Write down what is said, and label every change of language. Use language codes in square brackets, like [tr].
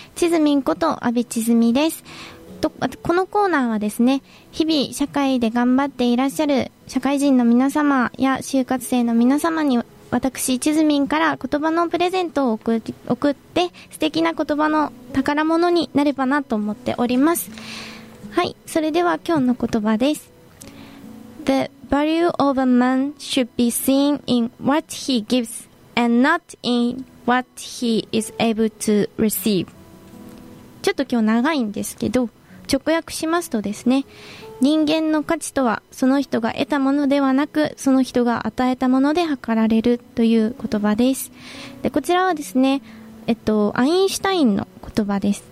[ja] チズミンこと阿部チズミです。このコーナーはですね、日々社会で頑張っていらっしゃる社会人の皆様や就活生の皆様に、私チズミンから言葉のプレゼントを送って素敵な言葉の宝物になればなと思っております。はい、それでは今日の言葉です。 [en] The value of a man should be seen in what he gives and not inWhat he is able to receive。 [ja] ちょっと今日長いんですけど、直訳しますとですね、人間の価値とはその人が得たものではなく、その人が与えたもので測られるという言葉です。でこちらはですね、アインシュタインの言葉です。